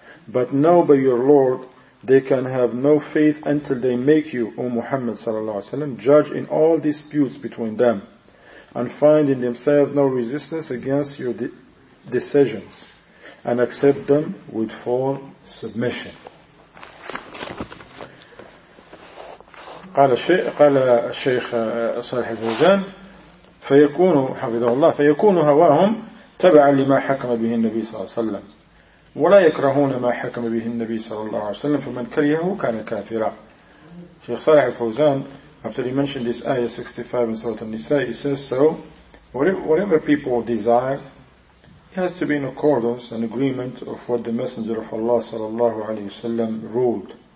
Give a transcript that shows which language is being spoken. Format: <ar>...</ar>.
<en>But know by your Lord, they can have no faith until they make you, O Muhammad sallallahu alaihi wasallam, judge in all disputes between them, and find in themselves no resistance against your decisions, and accept them with full submission.</en> <ar>قال الشيخ صالح الفوزان فيكون حفظه الله فيكون هواهم تبعا لما حكم به النبي صلى الله عليه وسلم ولا يكرهون ما حكم به النبي صلى الله عليه وسلم فمن كرهه كان كافرا.</ar> <en>شيخ صالح الفوزان, after he mentioned this ayah 65 in Surah An-Nisa, he says, so whatever people desire, it has to be in accordance and agreement of what the Messenger of Allah صلى الله عليه وسلم ruled.</en>